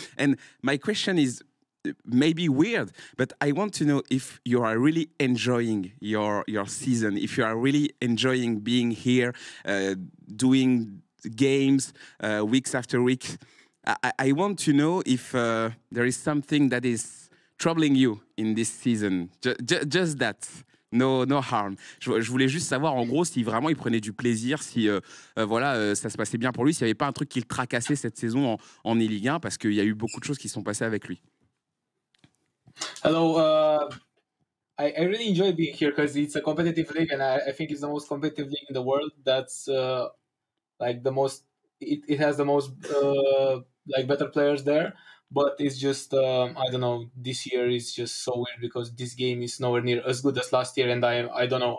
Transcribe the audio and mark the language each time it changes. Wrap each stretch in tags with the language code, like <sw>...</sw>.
<en>And my question is maybe weird, but I want to know if you are really enjoying your season, if you are really enjoying being here, doing games weeks after week. I want to know if there is something that is troubling you in this season. Just that. No harm.</en> <fr>Je voulais juste savoir, en gros, si vraiment il prenait du plaisir, si ça se passait bien pour lui, s'il n'y avait pas un truc qui le tracassait cette saison en Ligue 1, parce qu'il y a eu beaucoup de choses qui sont passées avec lui.</fr> <en>Hello. I really enjoy being here, because it's a competitive league and I think it's the most competitive league in the world. That's like the most... It has the most like better players there, but it's just I don't know. This year is just so weird, because this game is nowhere near as good as last year, and I don't know.</en>